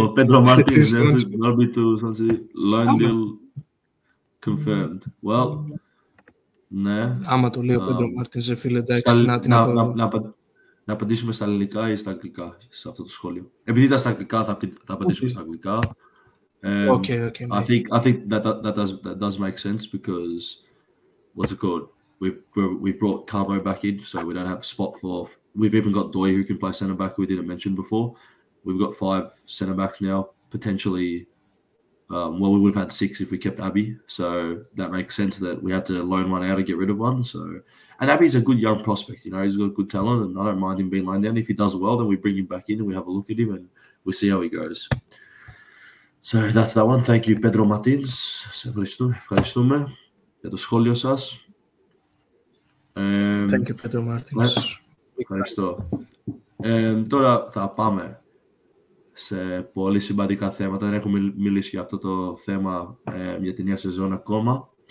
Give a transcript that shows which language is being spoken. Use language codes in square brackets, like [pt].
[el] Ο Πέντρο Μάρτινς, Νέλσον Άμπι του Σαντζή Λάιντιλ. [en] Confirmed. Well, ναι. [el] Άμα το λέει ο Πέντρο Μάρτινς, φίλε, εντάξει, να την να απαντήσουμε στα ελληνικά ή στα αγγλικά σε αυτό το σχόλιο. Επειδή ήταν στα αγγλικά, θα απαντήσουμε στα αγγλικά. [en] Okay, okay. I think that does make sense because what's it called? We've brought Carmo back in, so we don't have a spot for. We've even got Doi who can play centre back. We didn't mention before. We've got 5 centre backs now potentially. We would have had 6 if we kept Abby. So that makes sense that we have to loan one out and get rid of one. So, and Abby's a good young prospect. You know, he's got good talent, and I don't mind him being lined down. If he does well, then we bring him back in and we have a look at him and we see how he goes. So that's that one. Thank you, Pedro Martins. [el] Σε ευχαριστώ. Ευχαριστούμε για το σχόλιο σας. [en] Thank you, Pedro Martins. [el] Ευχαριστώ. Τώρα θα πάμε σε πολύ σημαντικά θέματα. Δεν έχουμε μιλήσει για αυτό το θέμα για την νέα σεζόν ακόμα.